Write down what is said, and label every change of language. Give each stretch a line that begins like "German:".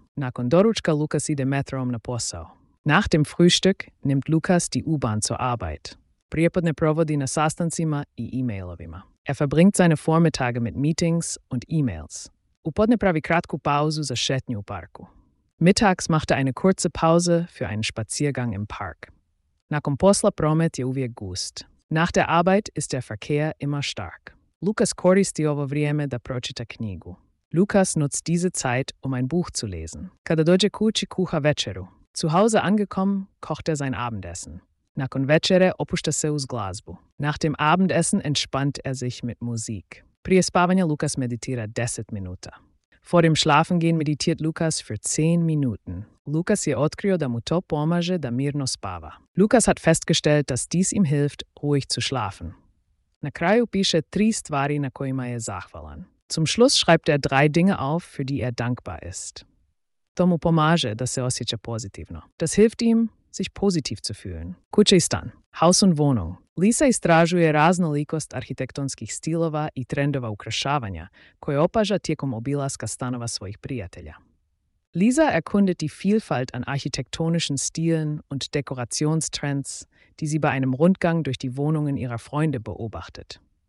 Croatian: Nakon doručka Lukas ide metrom na posao.
German: Nach dem Frühstück nimmt Lukas die U-Bahn zur Arbeit.
Croatian: Prijepodne provodi na sastancima i e-mailovima.
German: Er verbringt seine Vormittage mit Meetings und E-Mails.
Croatian: Upodne pravi kratku pauzu za šetnju u parku.
German: Mittags macht er eine kurze Pause für einen Spaziergang im Park.
Croatian: Nakon posla promet je uvijek gust.
German: Nach der Arbeit ist der Verkehr immer stark.
Croatian: Lukas koristi ovo vrijeme da pročita knjigu.
German: Lukas nutzt diese Zeit, um ein Buch zu lesen.
Croatian: Kada dođe kući kuha večeru.
German: Zu Hause angekommen, kocht er sein Abendessen.
Croatian: Nakon večere opušta se uz glazbu.
German: Nach dem Abendessen entspannt er sich mit Musik.
Croatian: Prije spavanja Lukas meditira 10 minuta.
German: Vor dem Schlafengehen meditiert Lukas für 10 Minuten.
Croatian: Lukas je otkrio da mu to pomaže da mirno spava.
German: Lukas hat festgestellt, dass dies ihm hilft, ruhig zu schlafen.
Croatian: Na kraju piše 3 stvari na kojima je zahvalan.
German: Zum Schluss schreibt er 3 Dinge auf, für die er dankbar ist.
Croatian: To mu pomaže da se osjeća pozitivno.
German: Das hilft ihm, sich positiv zu fühlen.
Croatian: Kuća i stan.
German: Haus und Wohnung.
Croatian: Lisa istražuje raznolikost arhitektonskih stilova i trendova ukrašavanja, koje opaža tijekom obilaska stanova svojih prijatelja.
German: Lisa erkundet die Vielfalt an architektonischen Stilen und Dekorationstrends, die sie bei einem Rundgang durch die Wohnungen ihrer Freunde beobachtet.